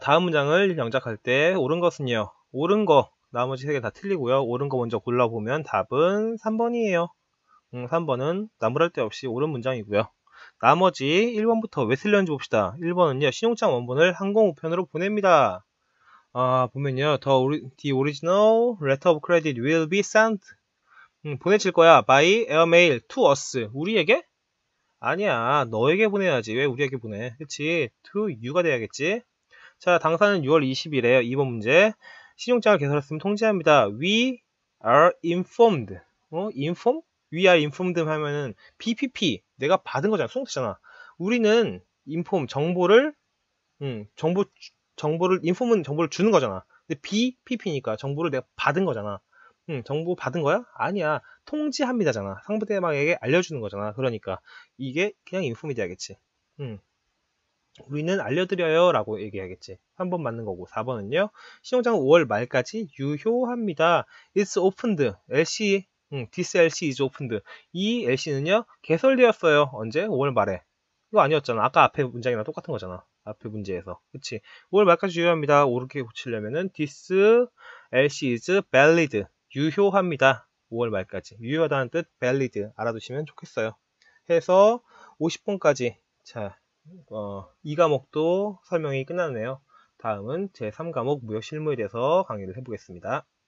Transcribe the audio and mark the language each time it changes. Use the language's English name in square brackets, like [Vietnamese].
[Korean] 다음 문장을 영작할 때, 옳은 것은요, 옳은 거, 나머지 3개 다 틀리고요. 옳은 거 먼저 골라보면 답은 3번이에요. 3번은 나무랄 데 없이 옳은 문장이고요. 나머지 1번부터 왜 틀렸는지 봅시다. 1번은요, 신용장 원본을 항공우편으로 보냅니다. 아, 보면요, [English] the original letter of credit will be sent. [Korean] 보내질 거야. [English] by airmail to us. [Korean] 우리에게? 아니야, 너에게 보내야지. 왜 우리에게 보내? 그치? to you가 돼야겠지? 자, 당사는 6월 20일에요. 2번 문제. 신용장을 개설했으면 통지합니다. [English] we are informed. [Korean] inform? [English] We are informed [Korean] 하면은 PPP 내가 받은 거잖아, 수동태잖아. 우리는 inform 정보를 정보를 inform은 정보를 주는 거잖아. 근데 BPP니까 정보를 내가 받은 거잖아. 정보 받은 거야? 아니야. 통지합니다잖아. 상대방에게 알려주는 거잖아. 그러니까 이게 그냥 inform이 돼야겠지. 우리는 알려드려요라고 얘기해야겠지. 3번 맞는 거고. 4번은요. 신용장 5월 말까지 유효합니다. [English] It's opened. LC This LC is opened. [Korean] 이 LC는요, 개설되었어요. 언제? 5월 말에. 이거 아니었잖아. 아까 앞에 문장이랑 똑같은 거잖아. 앞에 문제에서. 그치? 5월 말까지 유효합니다. 옳게 고치려면은 [English] This LC is valid. [Korean] 유효합니다. 5월 말까지. 유효하다는 뜻, valid. 알아두시면 좋겠어요. 해서 50번까지. 자, 이 과목도 설명이 끝났네요. 다음은 제3과목 무역 실무에 대해서 강의를 해보겠습니다.